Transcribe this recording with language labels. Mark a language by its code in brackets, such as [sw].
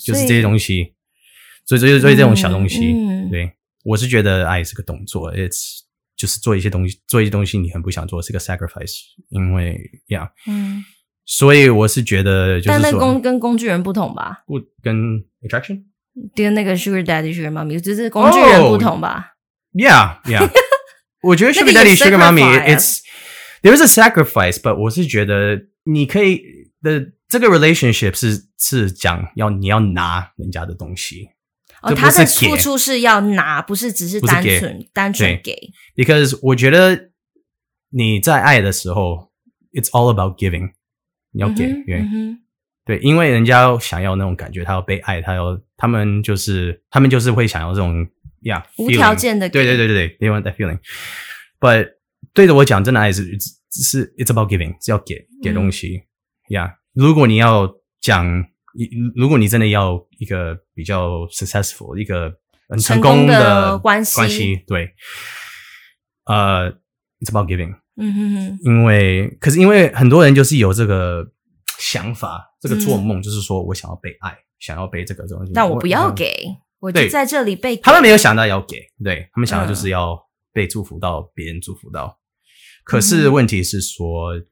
[zh] 就是这些东西，所以这种小东西、嗯、对，我是觉得爱是个动作， it's 就是做一些东西你很不想做，是个 sacrifice， 因为 yeah、嗯、所以我是觉得就是说，但那跟工具人不同吧，不跟 attraction 跟那个 sugar daddy sugar mommy 就是工具人不同吧、 oh, yeah yeah 我觉得 sugar daddy sugar mommy it'sThere is a sacrifice, but 我是觉得你可以的这个 relationship 是讲要你要拿人家的东西。哦，他的付出是要拿，不是只是单纯给。 Because 我觉得你在爱的时候 , it's all about giving. 你要给、嗯、对、嗯。对，因为人家想要那种感觉，他要被爱，他们就是会想要这种 yeah, 无条件的给。 [en] 对对对对 ,they want that feeling. [zh] But, 对着我讲，真的爱是 it's about giving，是要给东西、嗯、yeah， 如果你要讲，如果你真的要一个比较 successful， 一个很成功的关系，对， it's about giving。因为可是因为很多人就是有这个想法，这个做梦，就是说我想要被爱，想要被这个东西，但我不要给，我就在这里被给。他们没有想到要给，对他们想到就是要被祝福到，别人祝福到。可是问题是说，